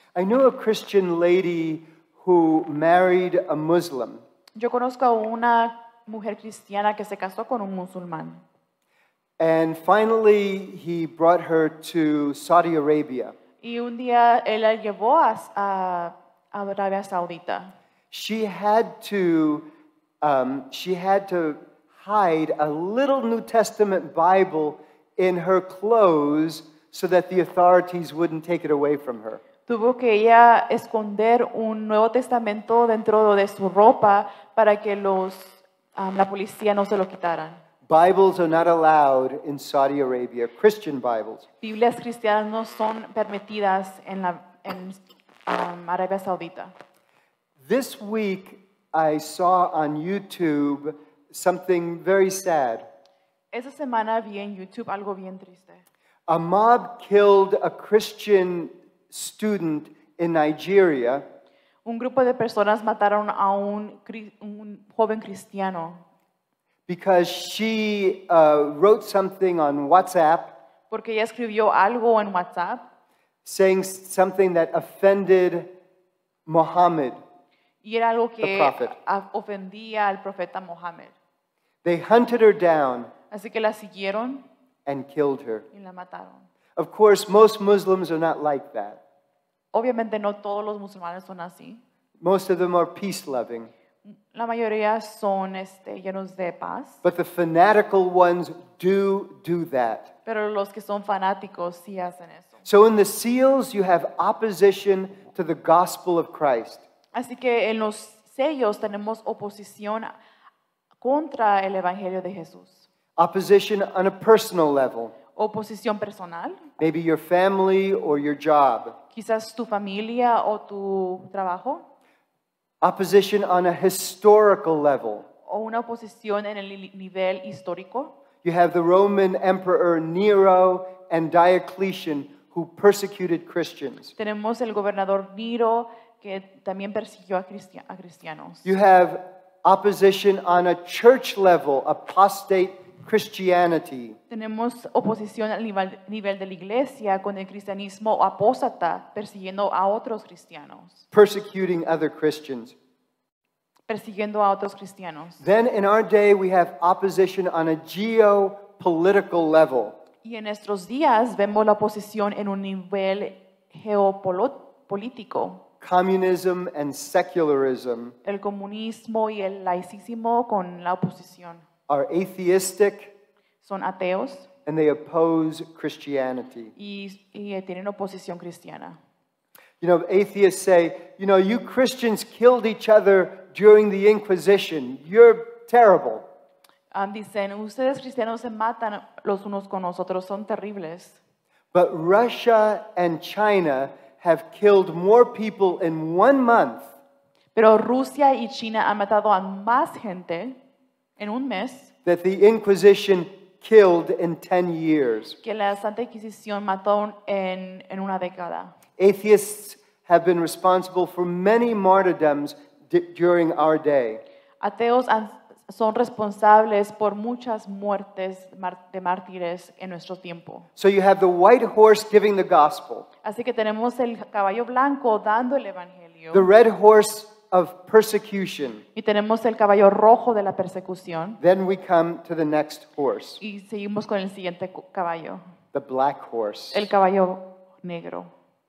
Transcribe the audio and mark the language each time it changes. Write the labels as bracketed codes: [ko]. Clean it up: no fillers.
[en] I knew a Christian lady who married a Muslim. [es] Yo conozco a una mujer cristiana que se casó con un musulmán. [en] And finally, he brought her to Saudi Arabia. [es] Y un día él la llevó a Arabia Saudita. [en] She had to hide a little New Testament Bible in her clothes so that the authorities wouldn't take it away from her. [es] Tuvo que ella esconder un Nuevo Testamento dentro de su ropa para que la policía no se lo quitaran. [en] Bibles are not allowed in Saudi Arabia, Christian Bibles. [es] Biblias cristianas no son permitidas en Arabia Saudita. [en] This week I saw on YouTube something very sad. [es] Esa semana vi en YouTube algo bien triste. [en] A mob killed a Christian student in Nigeria. [es] Un grupo de personas mataron a un joven cristiano. [en] Because she wrote something on WhatsApp. [es] Porque ella escribió algo en WhatsApp. [en] Saying something that offended Muhammad. [es] Y era algo que ofendía al profeta Muhammad. [en] They hunted her down. [es] Así que la siguieron. [en] And killed her. [es] Y la mataron. [en] Of course, most Muslims are not like that. [es] Obviamente no todos los musulmanes son así. [en] Most of them are peace-loving. [es] La mayoría son llenos de paz. [en] But the fanatical ones do that. [es] Pero los que son fanáticos sí hacen eso. [en] So in the seals you have opposition to the gospel of Christ. [es] Así que en los sellos tenemos oposición contra el evangelio de Jesús. [en] Opposition on a personal level. [es] Oposición personal. [en] Maybe your family or your job. [es] Quizás tu familia o tu trabajo. [en] Opposition on a historical level. [es] O una oposición en el nivel histórico. [en] You have the Roman Emperor Nero and Diocletian who persecuted Christians. [es] Tenemos el gobernador Nero que también persiguió a cristianos. [en] You have opposition on a church level, apostate Christianity. [es] Tenemos oposición al nivel de la iglesia con el cristianismo apóstata persiguiendo a otros cristianos. [en] Persecuting other Christians. [es] Persiguiendo a otros cristianos. [en] Then in our day we have opposition on a geopolitical level. [es] Y en nuestros días vemos la oposición en un nivel geopolítico. [en] Communism and secularism. [es] El comunismo y el laicismo con la oposición. [en] Are atheistic. [es] Son ateos. [en] And they oppose Christianity. [es] Y tienen oposición cristiana. [en] You know, atheists say, you know, you Christians killed each other during the Inquisition. You're terrible. [es] Dicen, ustedes cristianos se matan los unos con los otros. Son terribles. [en] But Russia and China have killed more people in 1 month. [es] Pero Rusia y China han matado a más gente en un mes. [en] That the Inquisition killed in 10 years. [es] Que la Santa Inquisición mató en una década. [en] Atheists have been responsible for many martyrdoms during our day. [es] Ateos son responsables por muchas muertes de mártires en nuestro tiempo. [en] So you have the white horse giving the gospel. [es] Así que tenemos el caballo blanco dando el evangelio. [en] The red horse of persecution. [es] Y tenemos el caballo rojo de la persecución. [en] Then we come to the next horse. [es] Y seguimos con el siguiente caballo. [en] The black horse. [es] El caballo negro.